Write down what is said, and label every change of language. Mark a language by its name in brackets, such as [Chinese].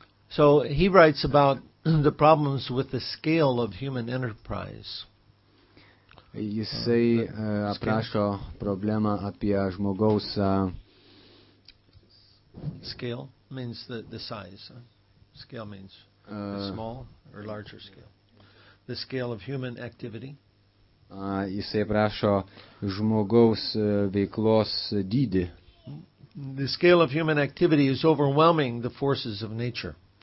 [English] So he writes about the problems with the scale of human enterprise. [Lithuanian] Jisai aprašo problemą apie žmogaus [English] scale means the size. Scale means small or larger scale. The scale of human activity. [Lithuanian] Jisai aprašo žmogaus veiklos dydį. [English] The scale of human activity is overwhelming the forces of nature.